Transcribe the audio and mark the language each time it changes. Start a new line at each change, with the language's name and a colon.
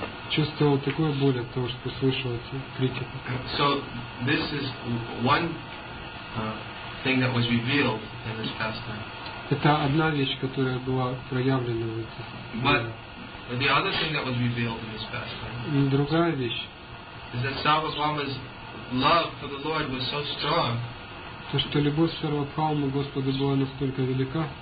Russian: Чувствовал такую боль от того, что слышал эти критики.
English: So this is one thing that was revealed in this pastime.
Russian: Это одна вещь, которая была проявлена в этих.
English: But the other thing that was revealed in this pastime.
Russian: Другая вещь.
English: Is that Sarvabhauma's love for the Lord was so strong.
Russian: То, что любовь Сарвабхаумы Господу была настолько велика.